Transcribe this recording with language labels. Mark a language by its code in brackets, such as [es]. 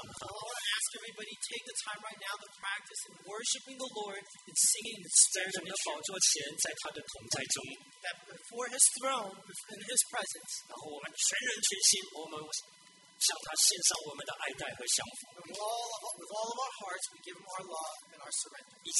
[en] I want to ask everybody take the time right now to practice in worshiping the Lord and singing the spirit of the [zh] 宝座前，在他的同在中。 [en] That before His throne, in His presence. [zh] 然后我们全人全心，我们向他献上我们的爱戴和降服。 [en] With all of our hearts, we give Him our love and our surrender.